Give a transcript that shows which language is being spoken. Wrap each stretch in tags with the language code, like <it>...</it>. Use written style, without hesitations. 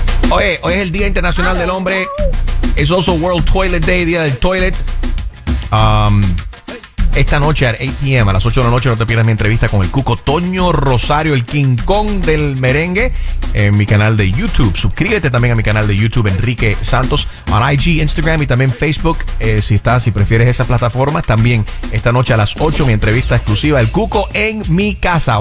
<es>Oye, hoy es el Día Internacional del Hombre.</es> <en>It's also World Toilet Day,</en> <es>Día del Toilet. Esta noche a 8 p.m., a las 8 de la noche, no te pierdas mi entrevista con el Cuco Toño Rosario, el King Kong del merengue, en mi canal de YouTube. Suscríbete también a mi canal de YouTube, Enrique Santos,</es> <en>on IG,</en> <es>Instagram y también Facebook. Si estás, si prefieres esa plataforma, también esta noche a las 8, mi entrevista exclusiva, el Cuco en mi casa.</es>